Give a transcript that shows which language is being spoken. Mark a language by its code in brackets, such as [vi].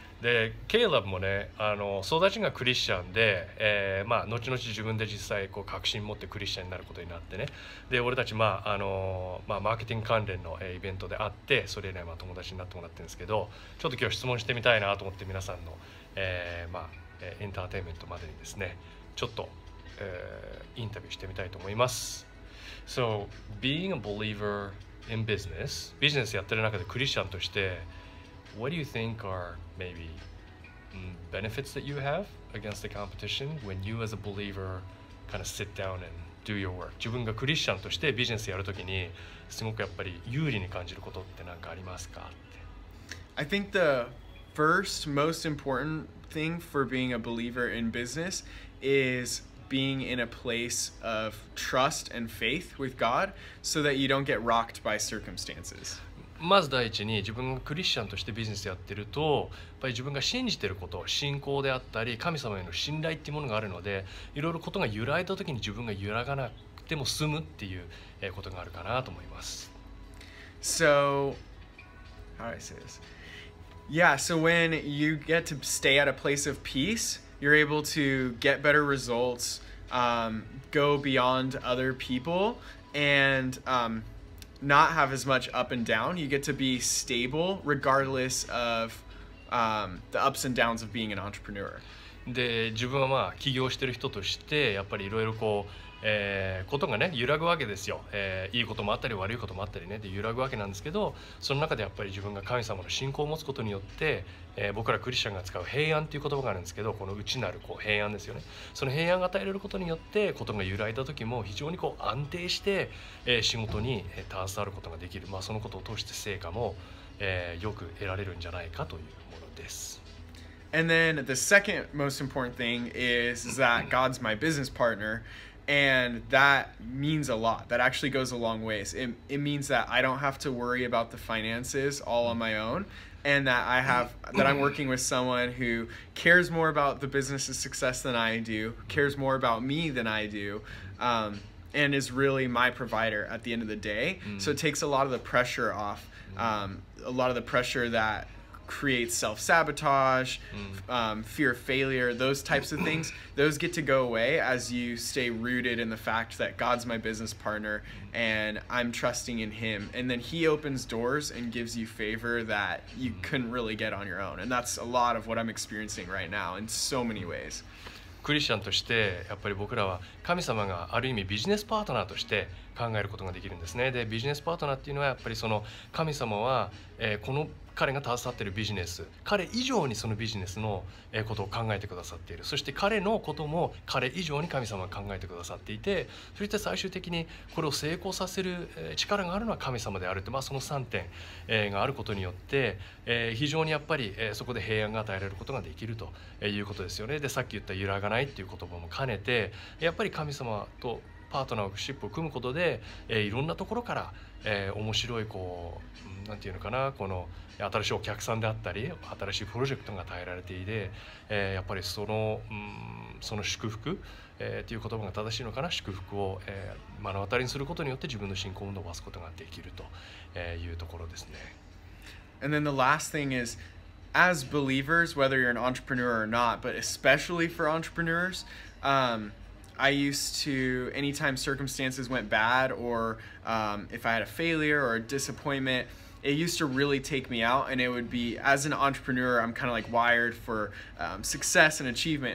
[ja] で Caleb もね、あの育ちがクリスチャンで、まあ後々自分で実際こう確信持ってクリスチャンになることになってね、で俺たちまあマーケティング関連のイベントで会って、それ以来まあ友達になってもらってるんですけど、ちょっと今日質問してみたいなと思って、皆さんの、エンターテインメントまでにですねちょっと、インタビューしてみたいと思います。 [en] So being a believer in business、 [ja] ビジネスやってる中でクリスチャンとして、 [en] What do you think are maybe benefits that you have against the competition when you as a believer kind of sit down and do your work? [ja] 自分がクリスチャンとしてビジネスやるときにすごくやっぱり有利に感じることって何かありますかって。 [en] I think the first most important thing for being a believer in business is being in a place of trust and faith with God so that you don't get rocked by circumstances. [ja] まず第一に自分がクリスチャンとしてビジネスやってると、やっぱり自分が信じてること、信仰であったり神様への信頼っていうものがあるので、いろいろことが揺らいだ時に自分が揺らがなくても済むっていうことがあるかなと思います。 [en] So how do I say this? Yeah, so when you get to stay at a place of peace, you're able to get better results, go beyond other people and not have as much up and down. You get to be stable regardless of the ups and downs of being an entrepreneur. [ja] で、自分はまあ起業してる人としてやっぱりいろいろこう、ことがね揺らぐわけですよ、いいこともあったり悪いこともあったりねで揺らぐわけなんですけど、その中でやっぱり自分が神様の信仰を持つことによって、僕らクリスチャンが使う平安という言葉があるんですけど、この内なるこう平安ですよね。その平安が与えられることによってことが揺らいだ時も非常にこう安定して、仕事に携わることができる、まあ、そのことを通して成果も、よく得られるんじゃないかというものです。 [en] And then the second most important thing is that God's my business partner, and that means a lot. That actually goes a long ways. It means that I don't have to worry about the finances all on my own, and that I have that I'm working with someone who cares more about the business's success than I do, cares more about me than I do, and is really my provider at the end of the day. So it takes a lot of the pressure off, a lot of the pressure that. Create self-sabotage, fear of failure, those types of things, those get to go away as you stay rooted in the fact that God's my business partner and I'm trusting in Him. And then He opens doors and gives you favor that you couldn't really get on your own. And that's a lot of what I'm experiencing right now in so many ways. [ja] クリスチャンとしてやっぱり僕らは神様がある意味ビジネスパートナーとして考えることができるんですね。でビジネスパートナーっていうのはやっぱりその神様は、この彼が携わっているビジネス、彼以上にそのビジネスのことを考えてくださっている、そして彼のことも彼以上に神様が考えてくださっていて、そして最終的にこれを成功させる力があるのは神様であるって、まあ、その3点があることによって非常にやっぱりそこで平安が与えられることができるということですよね。でさっき言った揺らがないっていう言葉も兼ねて、やっぱり神様とパートナーシップを組むことでいろんなところから面白いこうなんていうのかな、この新しいお客さんであったり新しいプロジェクトが与えられていて、やっぱりその、その祝福、という言葉が正しいのかな、祝福を、目の当たりにすることによって自分の信仰を伸ばすことができると、いうところですね。 [en] And then the last thing is as believers, whether you're an entrepreneur or not, but especially for entrepreneurs, I used to, anytime circumstances went bad or if I had a failure or a disappointment,It used to really take me out, and it would be, as an entrepreneur, I'm kind of like wired for success and achievement.